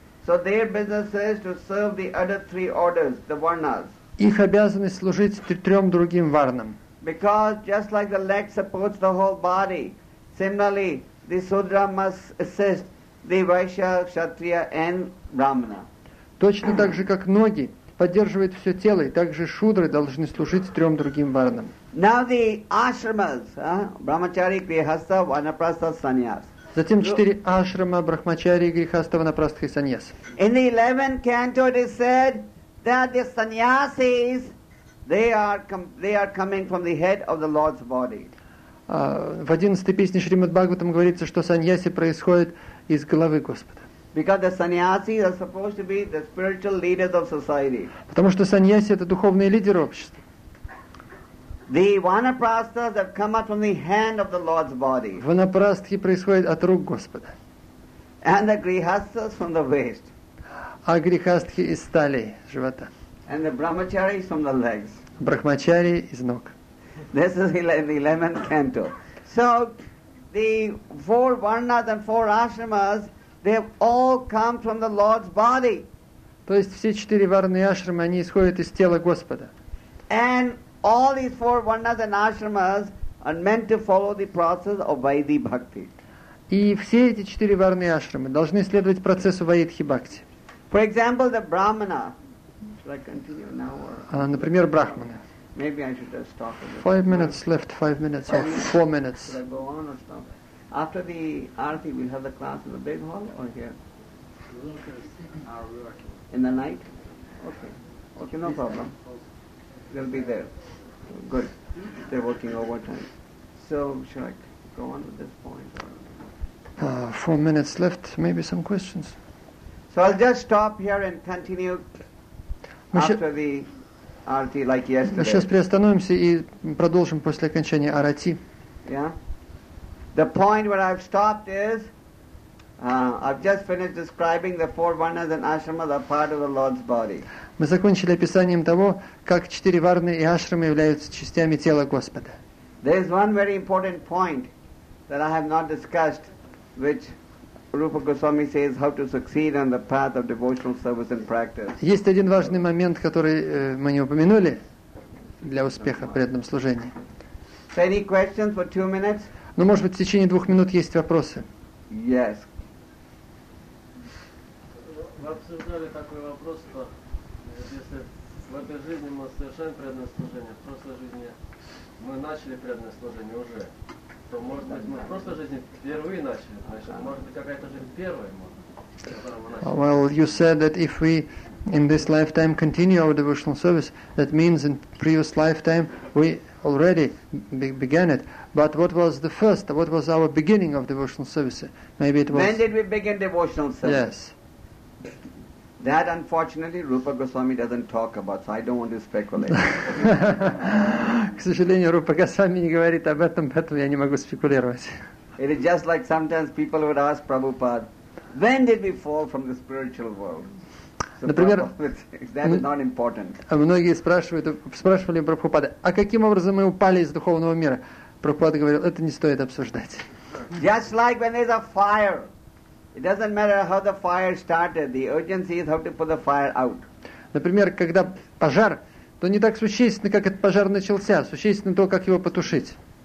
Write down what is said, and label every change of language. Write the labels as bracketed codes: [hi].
[en] So their business is to serve the other three orders, the varnas. [ru] Их обязанность служить трем другим варнам. [en] Because just like the leg supports the whole body, similarly, the sudra must assist the vaishya, kshatriya and brahmana. [ru] Точно так же, как ноги поддерживают все тело, и также шудры должны служить трем другим варнам. [en] Now the ashramas, brahmachari, grihastha, vanaprastha, sannyas. [ru] Затем четыре ашрама, брахмачари, грихастха, ванапрастха и саньяс. [en] In the 11th canto it is said that the sannyasis, they are coming from the head of the Lord's body. [ru] В 11-й песне Шримад Бхагаватам говорится, что саньяси происходят из головы Господа. [en] Because the sannyasis are supposed to be the spiritual leaders of society. [ru] Потому что саньяси это духовные лидеры общества. [en] The vanaprasthas have come out from the hand of the Lord's body. [ru] Ванапрастхи происходят от рук Господа. [en] And the grihasthas from the waist. [ru] А грихастхи из стали, живота. [en] And the brahmacharis from the legs. [ru] Брахмачари из ног. [en] This is the 11th canto. So, the four varnas and four ashramas, they have all come from the Lord's body. [ru] То есть все четыре варны и ашрамы, они исходят из тела Господа. [en] And all these four varnas and ashramas are meant to follow the process of Vaidhi Bhakti. [ru] И все эти четыре варны и ашрамы должны следовать процессу Vaidhi Bhakti. [en] For example, the brahmana. Should I continue now? Например, брахманы. Maybe I should just stop. Five minutes left. Should I go on or stop? After the arati, we'll have the class in the big hall or here? In the night? Okay. Okay, no problem. They'll be there. Good. They're working overtime. So, should I go on at this point? 4 minutes left. Maybe some questions. So I'll just stop here and continue after the arati, like yesterday. [ru] Мы сейчас приостановимся и продолжим после окончания арати. [en] Yeah. The point where I've stopped is I've just finished describing the four varnas and ashramas are part of the Lord's body. [ru] Мы закончили описанием того, как четыре варны и ашрамы являются частями тела Господа. [en] There is one very important point that I have not discussed, which Rupa Goswami says how to succeed on the path of devotional service and practice. [ru] Есть один важный момент, который мы не упомянули для успеха в преданном служении. [en] Any questions for 2 minutes? [ru] Ну, может быть, в течение 2 минут есть вопросы? [en] Yes. [ru] Мы обсуждали такой вопрос, что если в этой жизни мы совершаем преданное служение, в прошлой жизни мы начали преданное служение уже, то, может быть, мы в прошлой жизни впервые начали, значит, может быть, какая-то жизнь первая, может, которую мы начали. [en] Well, you said that if we in this lifetime continue our devotional service, that means in previous lifetime we already began it. But what was the first, what was our beginning of devotional service? Maybe it was... When did we begin devotional service? Yes. That, unfortunately, Rupa Goswami doesn't talk about, so I don't want to speculate. [ru] К сожалению, Рупа Госвами не говорит об этом, поэтому я не могу спекулировать. [en] It is just like sometimes people would ask Prabhupada, when did we fall from the spiritual world? [ru] So например, многие спрашивали Прабхупады, а каким образом мы упали из духовного мира? Прабхупада говорил, это не стоит обсуждать. [en] Just like when there's a fire, it doesn't matter how the fire started, the urgency is how to put the fire out. [ru] Например, когда пожар, то не так существенно, как этот пожар начался, существенно то, как его потушить.